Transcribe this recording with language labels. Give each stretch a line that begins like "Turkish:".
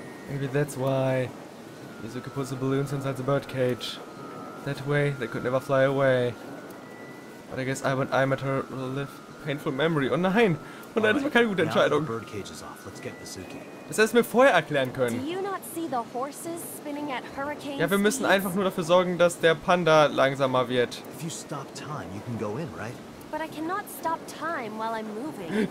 English: Maybe that's why Mizuki puts the balloons inside the birdcage. That way, they could never fly away. But I guess I and I met her will live a painful memory.
German: Oh nein! Oh nein, das war keine gute Entscheidung. Das hättest du mir vorher erklären können.
English: Do you not see the horses spinning at hurricane speed?
German: Ja, wir müssen einfach nur dafür sorgen, dass der Panda langsamer wird.
English: If you stop time, you can go in, right? But I cannot stop time while I'm moving.